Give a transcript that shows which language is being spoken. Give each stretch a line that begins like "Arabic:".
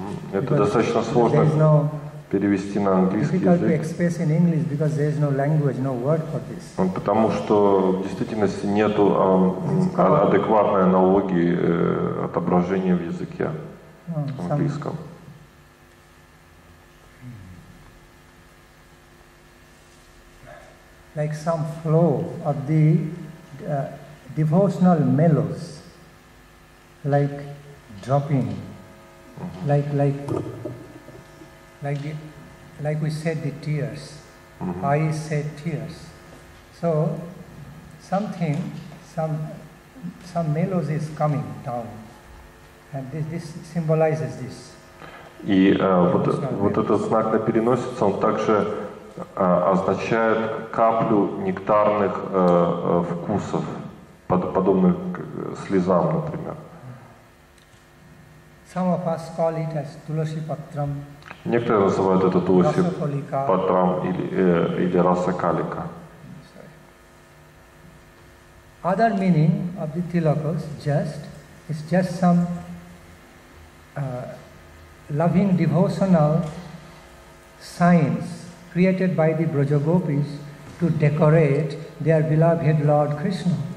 Russian: Это достаточно сложно перевести на английский язык.
English: Difficult to express in English because there is no language, no word for this.
Russian: Потому что в действительности нету адекватной аналогии отображения в языке английском.
English: Like some flow of the devotional mellows. Like dropping, like we said the tears, I said tears. So something, some melody is coming down, and this symbolizes this.
Russian: И вот этот знак на переносице, он также означает каплю нектарных вкусов, подобных слезам, например.
English: Some of us call it as Tulasi Patram.
Russian: Некоторые называют это Туласи Патрам или Раса Калика.
English: Other meaning of the Tilakas just is just some loving devotional signs created by the Brajagopis to decorate their beloved Lord Krishna.